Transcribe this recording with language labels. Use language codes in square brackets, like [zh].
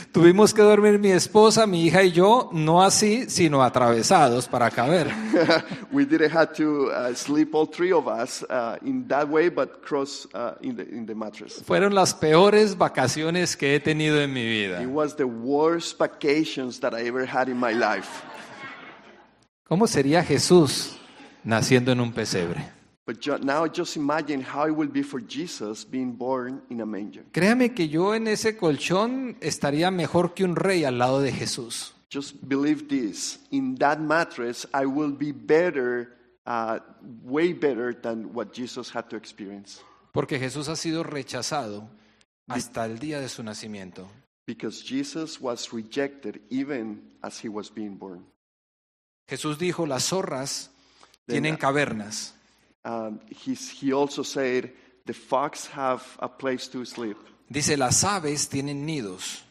[es] Tuvimos que dormir mi esposa, mi hija y yo, no así, sino atravesados para caber. [en] We didn't have to sleep all three of us in that way, but cross in the mattress. [es] Fueron las peores vacaciones que he tenido en mi vida. [en] It was the worst vacations that I ever had in my life. [es] ¿Cómo sería Jesús naciendo en un pesebre? [en] But now just imagine how it will be for Jesus being born in a manger. [es] Créame que yo en ese colchón estaría mejor que un rey al lado de Jesús. [en] Just believe this, in that mattress I will be better, way better than what Jesus had to experience. [es] Porque Jesús ha sido rechazado hasta el día de su nacimiento. [en] Because Jesus was rejected even as he was being born. [es] Jesús dijo, las zorras tienen cavernas. [en] He also said, the fox have a place to sleep. [es] Dice, las aves tienen nidos.